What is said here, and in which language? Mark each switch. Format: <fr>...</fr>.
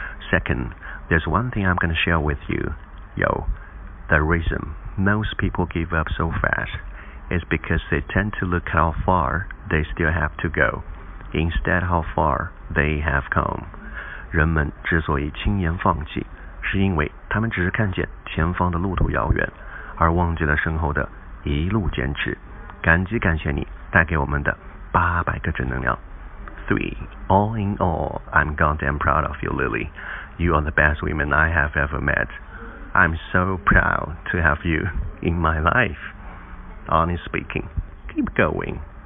<en>Second, there's one thing I'm going to share with you. Yo, the reason most people give up so fast. Is because they tend to look how far they still have to go, instead how far they have come.</en> <zh>人们之所以轻言放弃，是因为他们只是看见前方的路途遥远，而忘记了身后的一路坚持。感激感谢你带给我们的800个正能量。</zh> <en>Three, all in all, I'm goddamn proud of you, Lily. You are the best woman I have ever met. I'm so proud to have you in my life. Honest speaking, keep going.</en>